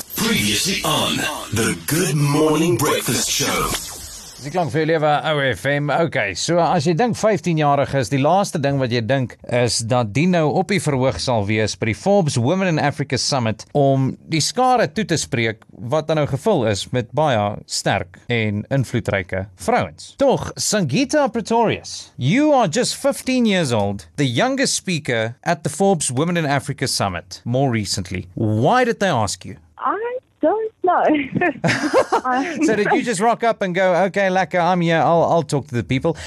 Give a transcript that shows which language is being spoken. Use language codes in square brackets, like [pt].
[en] Previously on the Good Morning Breakfast Show. [af] Die klank vir lewe ouwe FM. Ok, so as jy dink 15-jarig is, die laaste ding wat jy dink is dat die nou op die verhoog sal wees by die Forbes Women in Africa Summit om die skare toe te spreek wat dan nou gevul is met baie sterk en invloedryke vrouens. [en] Toch, Singhita Pretorius, you are just 15 years old, the youngest speaker at the Forbes Women in Africa Summit more recently. Why did they ask you? I don't know. So did you just rock up and go, okay, lekker, I'm here, I'll talk to the people?